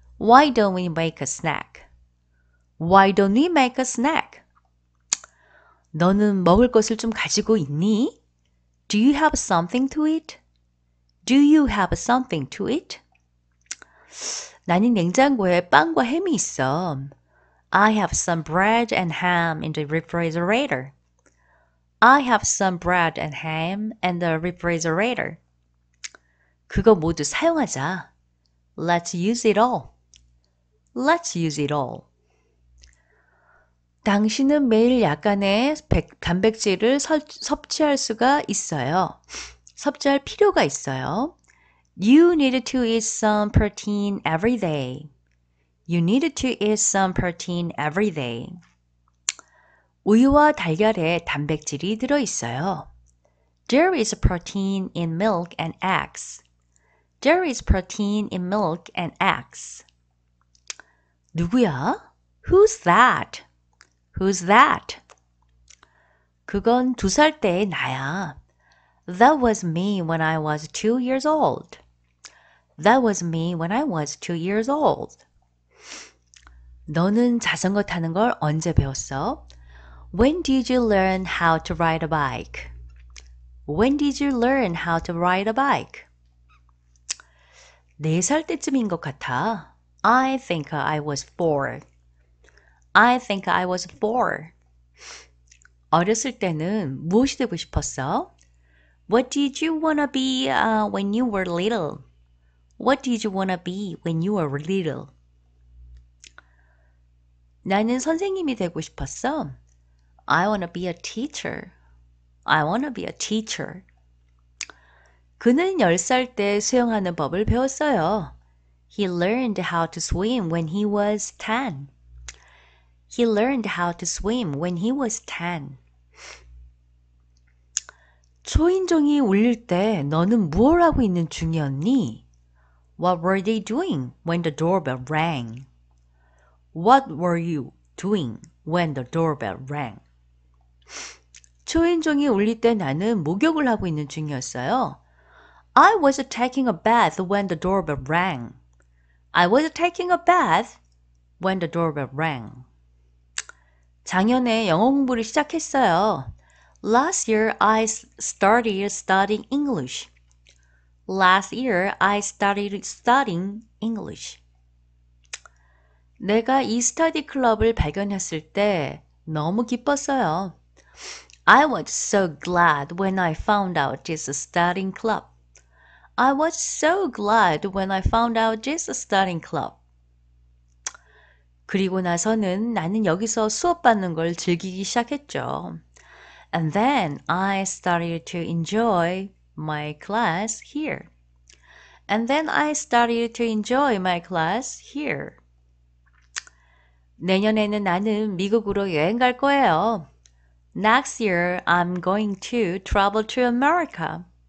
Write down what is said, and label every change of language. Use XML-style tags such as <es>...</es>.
<en>Why don't we make a snack? Why don't we make a snack?</en> <ko>너는 먹을 것을 좀 가지고 있니?</ko> <en>Do you have something to eat? Do you have something to eat?</en> <ko>나는 냉장고에 빵과 햄이 있어.</ko> <en>I have some bread and ham in the refrigerator. I have some bread and ham in the refrigerator.</en> <ko>그거 모두 사용하자.</ko> <en>Let's use it all. Let's use it all.</en> <ko>당신은 매일 약간의 단백질을 섭취할 수가 있어요. 섭취할 필요가 있어요.</ko> <en>You need to eat some protein every day. You need to eat some protein every day.</en> <ko>우유와 달걀에 단백질이 들어 있어요.</ko> <en>There is protein in milk and eggs. There is protein in milk and eggs.</en> <ko>누구야?</ko> <en>Who's that? Who's that?</en> <ko>그건 두 살 때 나야.</ko> <en>That was me when I was 2 years old. That was me when I was 2 years old.</en> <ko>너는 자전거 타는 걸 언제 배웠어?</ko> <en>When did you learn how to ride a bike? When did you learn how to ride a bike?</en> <ko>네 살 때쯤인 것 같아.</ko> <en>I think I was 4. I think I was 4.</en> <ko>어렸을 때는 무엇이 되고 싶었어?</ko> <en>What did you wanna be when you were little? What did you wanna be when you were little?</en> <ko>나는 선생님이 되고 싶었어.</ko> <en>I wanna be a teacher. I wanna be a teacher.</en> <ko>그는 10살 때 수영하는 법을 배웠어요.</ko> <en>He learned how to swim when he was 10. He learned how to swim when he was 10.</en> <ko>초인종이 울릴 때 너는 무엇을 하고 있는 중이었니?</ko> <en>What were they doing when the doorbell rang? What were you doing when the doorbell rang?</en> <ko>초인종이 울릴 때 나는 목욕을 하고 있는 중이었어요.</ko> <en>I was taking a bath when the doorbell rang. I was taking a bath when the doorbell rang.</en> <ko>작년에 영어 공부를 시작했어요.</ko> <en>Last year I started studying English. Last year I started studying English.</en> <ko>내가 이 스터디 클럽을 발견했을 때 너무 기뻤어요.</ko> <en>I was so glad when I found out this studying club. I was so glad when I found out this studying club.</en> <ko>그리고 나서는 나는 여기서 수업받는 걸 즐기기 시작했죠.</ko> <en>And then I started to enjoy my class here. And then I started to enjoy my class here.</en> <ko>내년에는 나는 미국으로 여행 갈 거예요.</ko> <en>Next year I'm going to travel to America.</en>